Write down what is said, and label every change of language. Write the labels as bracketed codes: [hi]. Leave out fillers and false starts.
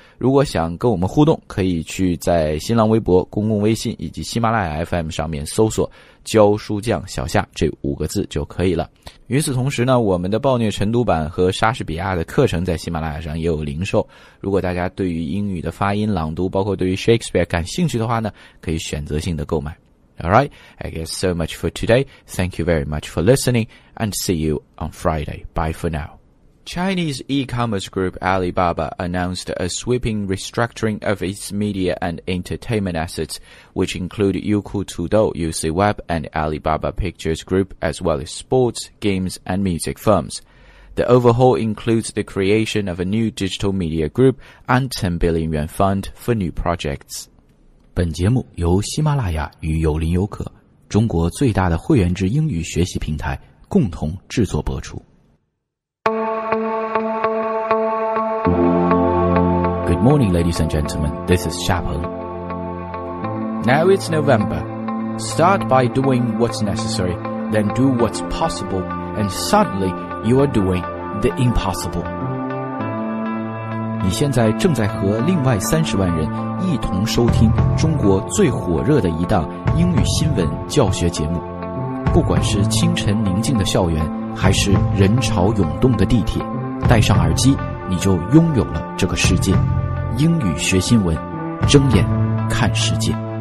[zh] 如果想跟我们互动，可以去在新浪微博、公共微信以及喜马拉雅 FM 上面搜索教书匠小夏这五个字就可以了。与此同时呢，我们的暴虐晨读版和莎士比亚的课程在喜马拉雅上也有零售，如果大家对于英语的发音朗读包括对于 Shakespeare 感兴趣的话呢，可以选择性的购买。 [en] Alright, I guess so much for today. Thank you very much for listening and see you on Friday. Bye for nowChinese e-commerce group Alibaba announced a sweeping restructuring of its media and entertainment assets, which include Youku Tudou, UC Web, and Alibaba Pictures Group, as well as sports, games, and music firms. The overhaul includes the creation of a new digital media group and 10 billion yuan fund for new projects. [zh] 本节目由喜马拉雅与有邻有可，中国最大的会员制英语学习平台共同制作播出。 [en] Good morning, ladies and gentlemen. This is Xiapeng. Now it's November. Start by doing what's necessary, then do what's possible, and suddenly you are doing the impossible. [zh] 你现在正在和另外30万人一同收听中国最火热的一档英语新闻教学节目。不管是清晨宁静的校园，还是人潮涌动的地铁，戴上耳机，你就拥有了这个世界。英语学新闻，睁眼看世界。